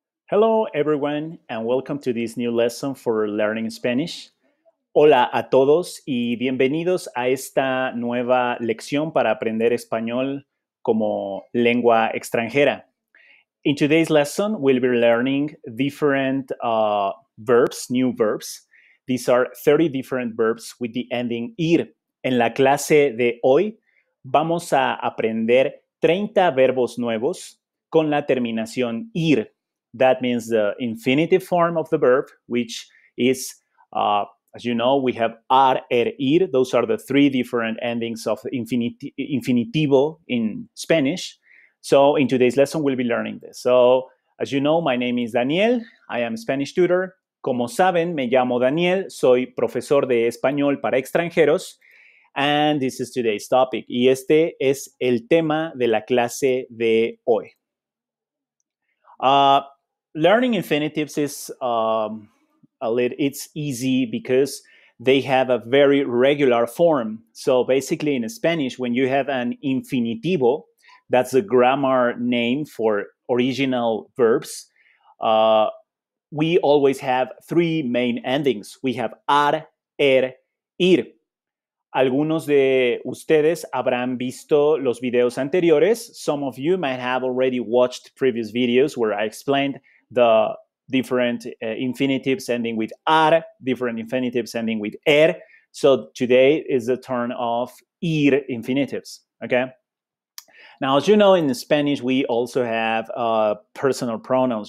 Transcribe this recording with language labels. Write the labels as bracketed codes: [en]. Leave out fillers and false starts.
[en] Hello, everyone, and welcome to this new lesson for learning Spanish. [es] Hola a todos y bienvenidos a esta nueva lección para aprender español como lengua extranjera. [en] In today's lesson, we'll be learning different verbs, new verbs. These are 30 different verbs with the ending ir. [es] En la clase de hoy, vamos a aprender 30 verbos nuevos con la terminación ir. [en] That means the infinitive form of the verb, which is, as you know, we have ar, er, ir. Those are the three different endings of infinitivo in Spanish. So in today's lesson, we'll be learning this. So as you know, my name is Daniel. I am a Spanish tutor. [es] Como saben, me llamo Daniel. Soy profesor de español para extranjeros. [en] And this is today's topic. [es] Y este es el tema de la clase de hoy. [en] Learning infinitives is it's easy because they have a very regular form. So basically in Spanish, when you have an infinitivo, that's the grammar name for original verbs, we always have three main endings. We have ar, er, ir. [es] Algunos de ustedes habrán visto los videos anteriores. [en] Some of you might have already watched previous videos where I explained the different infinitives ending with ar, different infinitives ending with er. So today is the turn of ir infinitives, okay? Now, as you know, in Spanish, we also have personal pronouns.